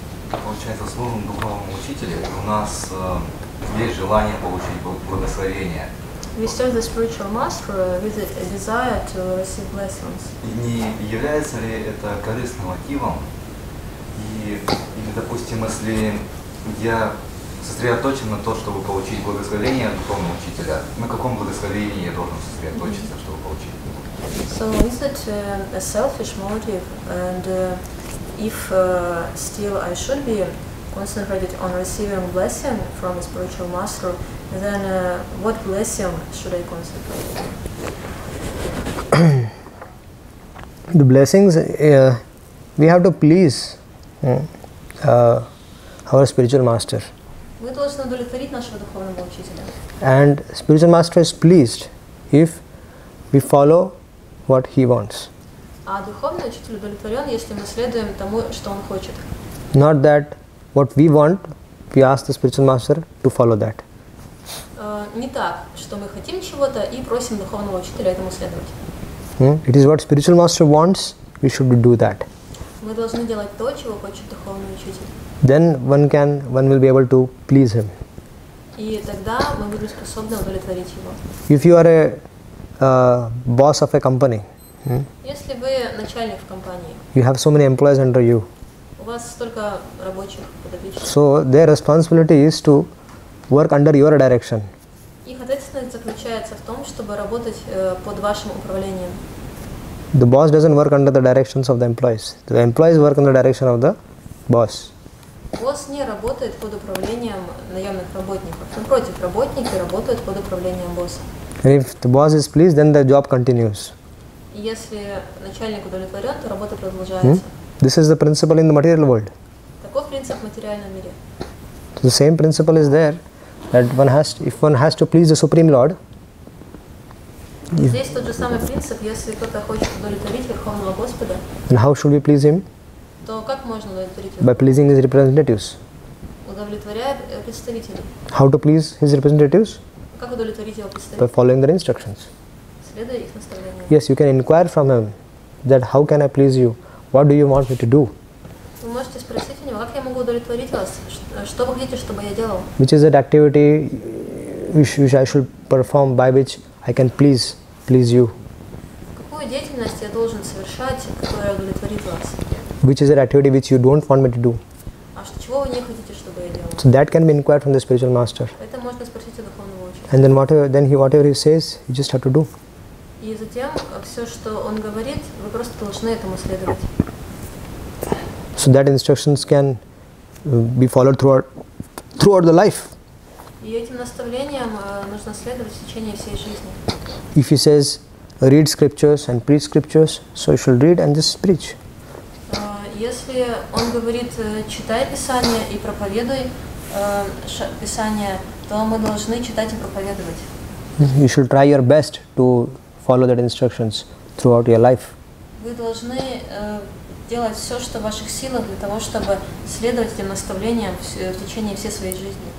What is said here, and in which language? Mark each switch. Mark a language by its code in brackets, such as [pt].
[ru] Получается, служим духовному учителю, у нас есть желание получить благословение. [en] We serve the spiritual master with a desire to receive blessings. [ru] И не является ли это корыстным мотивом? И, или, допустим, если я сосредоточен на то, чтобы получить благословение от духовного учителя, на каком благословении я должен сосредоточиться, mm-hmm. чтобы получить? [en] So is it a selfish motive, and if still I should be concentrated on receiving blessing from a spiritual master, then what blessing should I concentrate on? The blessings, we have to please our spiritual master. [ru] Мы должны удовлетворить нашего духовного учителя. [en] And spiritual master is pleased if we follow what he wants. [ru] А духовный учитель удовлетворен, если мы следуем тому, что он хочет. [en] Not that what we want, we ask the spiritual master to follow that. [ru] Не так, что мы хотим чего-то и просим духовного учителя этому следовать. [en] It is what spiritual master wants, we should do that. [ru] Мы должны делать то, чего хочет духовный учитель. [en] Then one will be able to please him. [ru] И тогда мы будем способны удовлетворить его. [en] If you are a boss of a company, [ru] если вы начальник в компании, [en] you have so many employees under you. [ru] У вас столько рабочих подопечных. [en] So their responsibility is to work under your direction. [ru] Их ответственность заключается в том, чтобы работать под вашим управлением. [en] The boss doesn't work under the directions of the employees. The employees work under the direction of the boss. [ru] Босс не работает под управлением наемных работников. Напротив, работники работают под управлением босса. [en] And if the boss is pleased, then the job continues. [ru] Если начальник удовлетворен, то работа продолжается. [en] This is the principle in the material world. [ru] Таков принцип в материальном мире. [en] So the same principle is there. That one has to, if one has to please the Supreme Lord. [ru] Здесь тот же самый принцип, если кто-то хочет удовлетворить Верховного Господа. [en] And how should we please him? [ru] То как можно удовлетворить его? [en] By pleasing his representatives. [ru] Удовлетворяя представителей. [en] How to please his representatives? [ru] Как удовлетворить его представителей? [en] By following their instructions. [ru] Следуя их наставлениям. [en] Yes, you can inquire from him that how can I please you? What do you want me to do? [ru] Вы можете спросить у него, как я могу удовлетворить вас? Что вы хотите, чтобы я делал? [en] Which is that activity which I should perform by which I can please you? [ru] Какую деятельность я должен совершать, которая удовлетворит вас? [en] Which is that activity which you don't want me to do? [ru] А что, чего вы не хотите, чтобы я делал? [en] So that can be inquired from the spiritual master. [ru] Это можно спросить у духовного учителя. [en] And then whatever he says, you just have to do. [ru] И затем все, что он говорит, вы просто должны этому следовать. [en] So that instructions can be followed throughout the life. [ru] И этим наставлениям нужно следовать в течение всей жизни. [en] If he says, read scriptures and preach scriptures, so you should read and just preach. [ru] Если он говорит, читай Писание и проповедуй Писание, то мы должны читать и проповедовать. [en] You should try your best to follow that instructions throughout your life. [ru] Вы должны делать все, что в ваших силах, для того, чтобы следовать этим наставлениям в течение всей своей жизни.